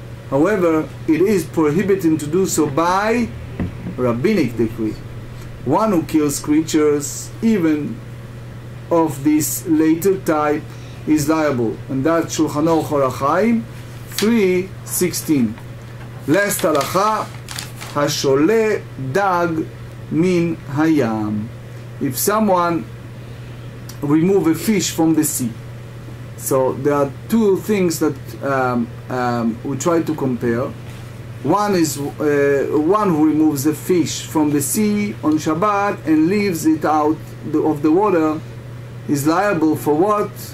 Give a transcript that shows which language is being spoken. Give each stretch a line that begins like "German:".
English: However, it is prohibited to do so by rabbinic decree. One who kills creatures even of this later type is liable, and that's Shulchan Aruch Or HaChaim 3:16.
Hebrew: Last halacha, השולה דג מן הים.
English: If someone remove a fish from the sea. So there are two things that we try to compare. One is one who removes a fish from the sea on Shabbat and leaves it out of the water is liable for what?